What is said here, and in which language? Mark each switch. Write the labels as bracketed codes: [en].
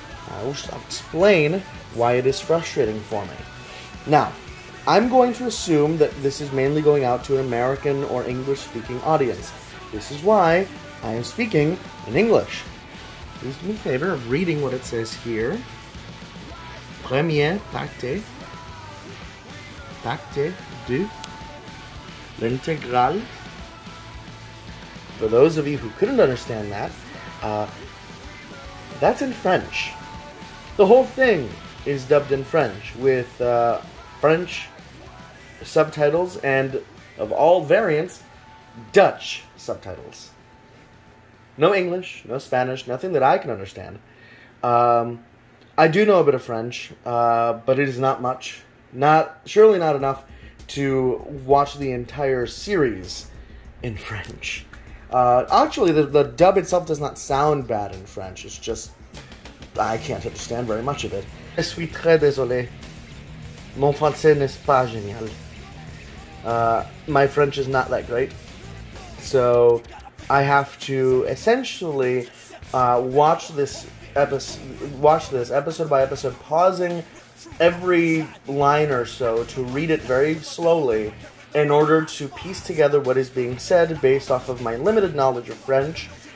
[en] I will explain why it is frustrating for me. Now, I'm going to assume that this is mainly going out to an American or English-speaking audience. This is why I am speaking in English. Please do me a favor of reading what it says here. [fr] Premier partie, partie de l'intégrale. [en] For those of you who couldn't understand that, that's in French. The whole thing is dubbed in French with French subtitles and, of all variants, Dutch subtitles. No English, no Spanish, nothing that I can understand. I do know a bit of French, but it is not much. Surely not enough to watch the entire series in French. Actually, the dub itself does not sound bad in French. It's just I can't understand very much of it. [fr] Je suis très désolé. Mon français n'est pas génial. [en] My French is not that great. So I have to essentially watch this episode by episode, pausing every line or so to read it very slowly in order to piece together what is being said based off of my limited knowledge of French.